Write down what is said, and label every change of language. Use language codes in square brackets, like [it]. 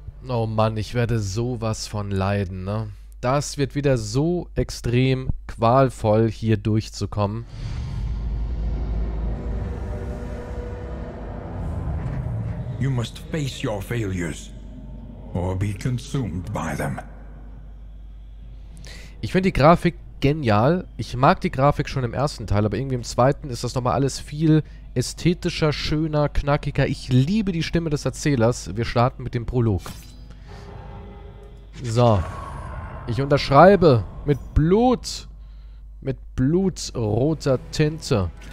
[de] Oh Mann, ich werde sowas von leiden, ne? Das wird wieder so extrem qualvoll, hier durchzukommen. [en] You must face your failures or be consumed by them. [de] Ich finde die Grafik genial. Ich mag die Grafik schon im ersten Teil, aber irgendwie im zweiten ist das nochmal alles viel ästhetischer, schöner, knackiger. Ich liebe die Stimme des Erzählers. Wir starten mit dem Prolog. So. Ich unterschreibe mit Blut. Mit blutroter Tinte.